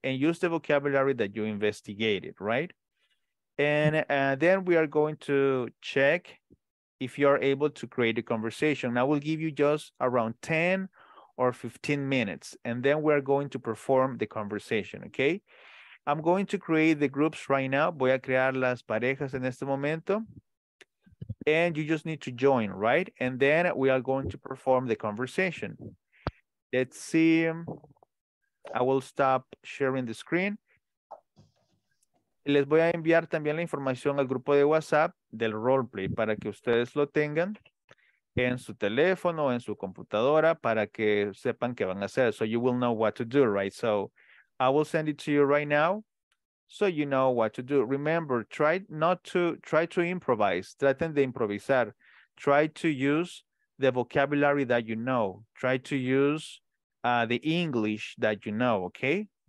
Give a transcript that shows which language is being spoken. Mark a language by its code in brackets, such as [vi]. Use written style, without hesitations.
[en] And use the vocabulary that you investigated, right? And then we are going to check if you are able to create a conversation. Now we'll give you just around 10 or 15 minutes, and then we're going to perform the conversation, okay? I'm going to create the groups right now. [es] Voy a crear las parejas en este momento. [en] And you just need to join, right? And then we are going to perform the conversation. Let's see. I will stop sharing the screen. [es] Les voy a enviar también la información al grupo de WhatsApp del roleplay para que ustedes lo tengan en su teléfono, en su computadora, para que sepan qué van a hacer. [en] So you will know what to do, right? So I will send it to you right now so you know what to do. Remember, try to improvise. [es] Traten de improvisar. [en] Try to use the vocabulary that you know. Try to use the English that you know, okay?